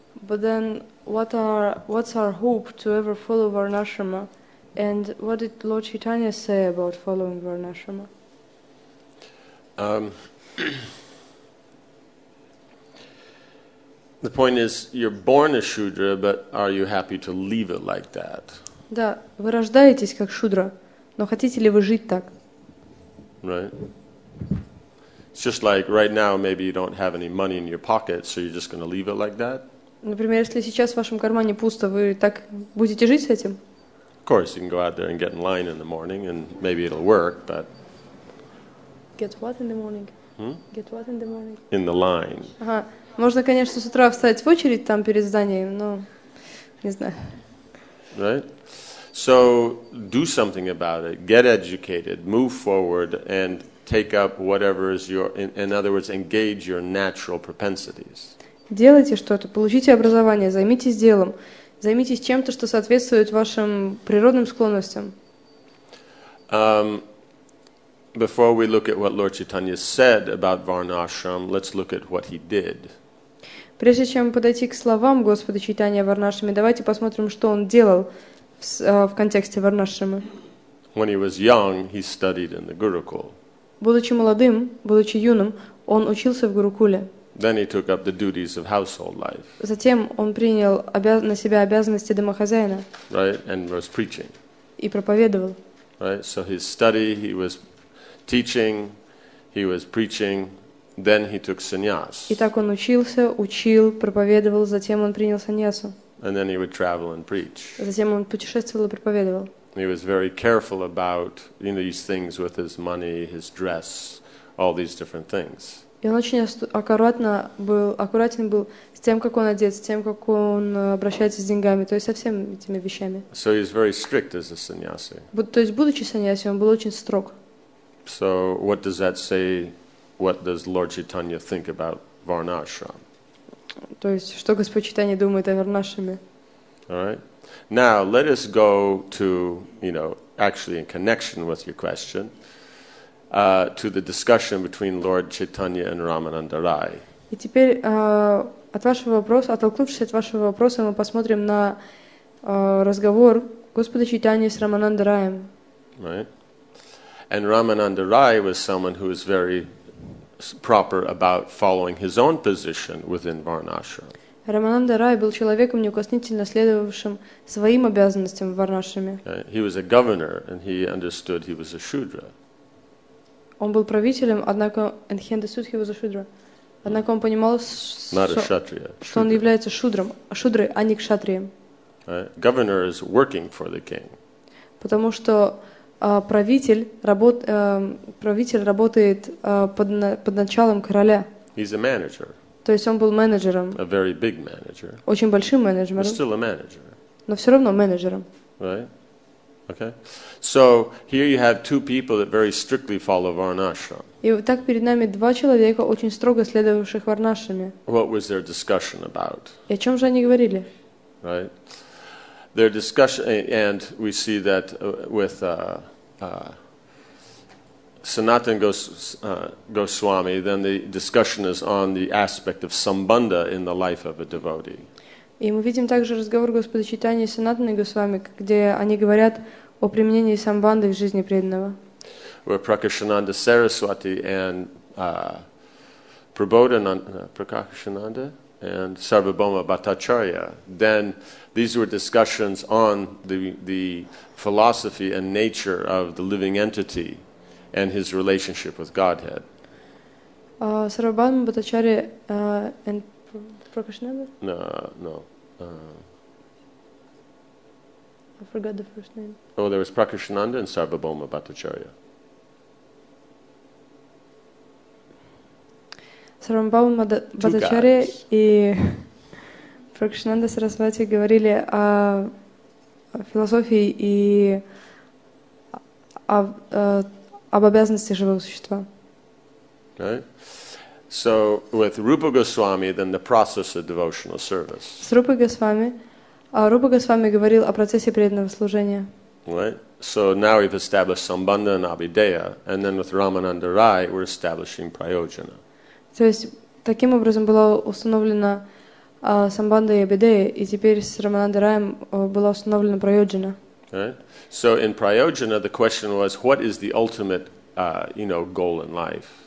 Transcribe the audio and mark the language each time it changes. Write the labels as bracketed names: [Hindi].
[English] But then what's our hope to ever follow varnashrama? And what did Lord Chaitanya say about following varnashrama? The point is, you're born a shudra, but are you happy to leave it like that? [Russian] Да, вы рождаетесь как шудра, но хотите ли вы жить так? [English] Right. It's just like right now, maybe you don't have any money in your pocket, so you're just going to leave it like that? [Russian] Например, если сейчас в вашем кармане пусто, вы так будете жить с этим? [English] Of course, you can go out there and get in line in the morning, and maybe it'll work, but... Get what in the morning? Hmm? Get what in the morning? In the line. [Russian] Ага. Можно, конечно, с утра встать в очередь там перед зданием, но не знаю. [English] Right? So, do something about it. Get educated. Move forward and take up whatever is your... In other words, engage your natural propensities. [Russian] Делайте что-то. Получите образование. Займитесь делом. Займитесь чем-то, что соответствует вашим природным склонностям. [English] Before we look at what Lord Chaitanya said about Varnashram, let's look at what he did. [Russian] Прежде чем подойти к словам Господа Чайтанья о Варнашраме, давайте посмотрим, что он делал в контексте Варнашрамы. [English] When he was young, he studied in the Gurukul. [Russian] Будучи молодым, будучи юным, он учился в Гурукуле. [English] Then he took up the duties of household life. [Russian] Затем он принял на себя обязанности домохозяина. [English] Right, and was preaching. [Russian] И проповедовал. [English] Right, so his study, he was teaching, he was preaching. Then he took sannyas. [Russian] Итак, он учился, учил, проповедовал, затем он принял саньясу. [English] And then he would travel and preach. [Russian] Затем он путешествовал и проповедовал. [English] He was very careful about, you know, these things with his money, his dress, all these different things. [Russian] И он очень аккуратен был с тем, как он одет, с тем, как он обращается с деньгами, то есть со всеми этими вещами. [English] So he was very strict as a sannyasi. [Russian] То есть будучи саньяси, он был очень строг. [English] So what does that say? What does Lord Chaitanya think about Varnashram? [Russian] То есть, что Господь Читания думает о нашими. [English] All right. Now, let us go to, you know, actually in connection with your question, to the discussion between Lord Chaitanya and Ramananda Rai. [Russian] И теперь, от вашего вопроса, оттолкнувшись от вашего вопроса, мы посмотрим на разговор Господа Чайтаньи с Рамананда Раем. [English] And Ramananda Rai was someone who was very proper about following his own position within Varnashram. [Russian] Рамананда Рай был человеком, неукоснительно следовавшим своим обязанностям в Варнашраме. [English] He was a governor, and he understood he was a shudra. [Russian] Он был правителем, однако, [English] and he understood he was a shudra. [Russian] Однако он понимал, что он является шудром, шудрой, а не кшатрием. [English] Governor is working for the king. [Russian] Потому что правитель работает под началом короля. [English] He's a manager. [Russian] То есть он был менеджером. [English] A very big manager. [Russian] Очень большим менеджером. [English] But still a manager. [Russian] Но все равно менеджером. [English] Right? Okay. So here you have two people that very strictly follow Varnashram. [Russian] И так перед нами два человека, очень строго следовавших Варнашраме. [English] What was their discussion about? [Russian] И о чем же они говорили? [English] Right. Their discussion, and we see that with Sanatan Goswami, then the discussion is on the aspect of sambandha in the life of a devotee. [Russian] И мы видим также разговор Господа Чайтаньи с Санатаной Госвами, где они говорят о применении самбанды в жизни преданного. [English] Where Prakashananda Saraswati and Prakashananda and Sarvabhauma Bhattacharya, then these were discussions on the philosophy and nature of the living entity and his relationship with Godhead. Sarvabhauma Bhattacharya and Prakashananda? No. I forgot the first name. Oh, there was Prakashananda and Sarvabhauma Bhattacharya. [Russian] Сарвабхаума Бхаттачарья и Пракшинанда Сарасвати говорили о философии и об обязанности живого существа. [English] Okay. So with Rupa Goswami, then the process of devotional service. [Russian] С Рупой Госвами, Рупа Госвами говорил о процессе преданного служения. [English] Right. So now we've established Sambandha and Abhideya, and then with Ramananda Rai, we're establishing Prayojana. [Russian] То есть таким образом была установлена самбанда и абидея, и теперь с Рамананда Раем была установлена прайоджана. [English] So in prayojana the question was, what is the ultimate, you know, goal in life?